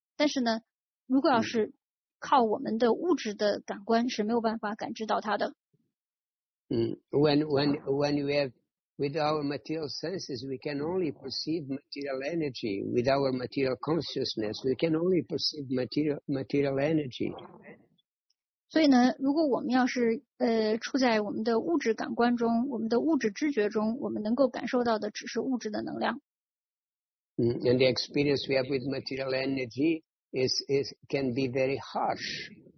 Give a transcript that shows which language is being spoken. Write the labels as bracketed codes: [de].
[zh] 但是呢，如果要是靠我们的物质的感官是没有办法感知到它的。 [en] When you have... With our material senses, we can only perceive material energy. With our material consciousness, we can only perceive material energy. [zh] 所以呢，如果我们要是处在我们的物质感官中，我们的物质知觉中，我们能够感受到的只是物质的能量。 [en] And the experience we have with material energy is can be very harsh.